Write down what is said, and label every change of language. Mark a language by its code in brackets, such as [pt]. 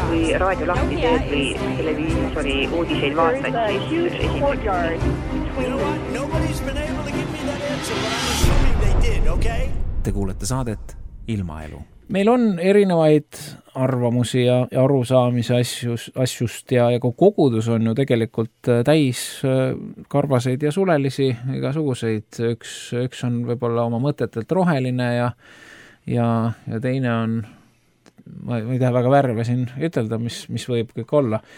[et] Kui raadio lahti teed või televiisori uudiseid vaatad, siis esimest... [en] Nobody's been able to give me that answer, but I'm assuming they did, okay? [et] Te kuulete saadet Ilmaelu. Meil on erinevaid arvamusi ja arusaamise asjust ja kogudus on ju tegelikult täis karvaseid ja sulelisi igasuguseid. Üks on võib-olla oma mõtetelt roheline ja teine on, ma ei tea väga värve siin ütelda, mis võib kõik olla.